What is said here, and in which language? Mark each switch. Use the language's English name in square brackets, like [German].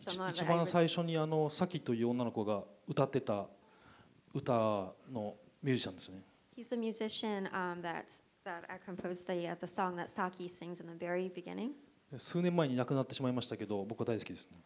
[Japanese] 一番最初にあのサキという女の子が歌ってた歌のミュージシャンですね。 [English] He's the musician that I composed the song that Saki sings in the very beginning. [Japanese] 数年前に亡くなってしまいましたけど、僕は大好きです。